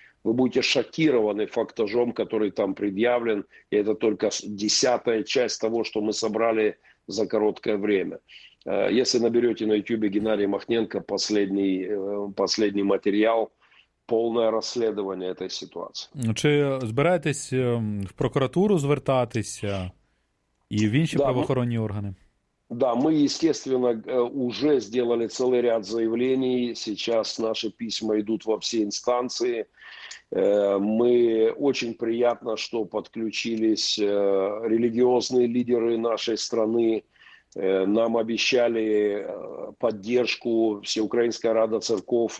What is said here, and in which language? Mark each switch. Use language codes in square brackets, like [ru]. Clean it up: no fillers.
[ru] Вы будете шокированы фактажом, который там предъявлен. И это только десятая часть того, что мы собрали за короткое время. Если наберете на YouTube Геннадий Махненко последний материал, полное расследование этой ситуации. [uk] Чи збираєтесь в прокуратуру звертатися и в інші правоохоронні органи? [ru] Да, мы, естественно, уже сделали целый ряд заявлений. Сейчас наши письма идут во все инстанции. Мы очень приятно, что подключились религиозные лидеры нашей страны. Нам обещали поддержку Всеукраинская Рада Церков.